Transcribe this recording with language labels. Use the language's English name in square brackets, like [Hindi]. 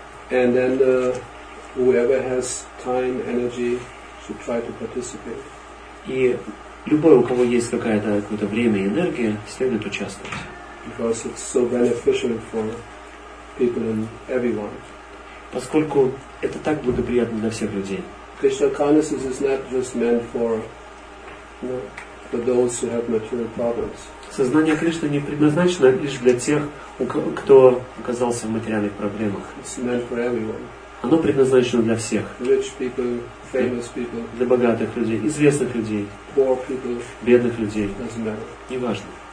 [English] And then whoever has time, energy should try to participate. [Russian] Любой, у кого есть какое-то время и энергия, следует участвовать. [English] Because it's so beneficial for people and everyone. [Russian] Поскольку это так благоприятно для всех людей. [English] Krishna consciousness is not just meant for, for those who have material problems. [Russian] Сознание Кришны не предназначено лишь для тех, кто оказался в материальных проблемах. [English] It's meant for everyone. [Russian] Оно предназначено для всех. [English] Rich people, famous people, [Russian] для богатых людей, известных людей, [English] poor people, [Russian] бедных людей. [English] Doesn't matter. [Russian] Неважно.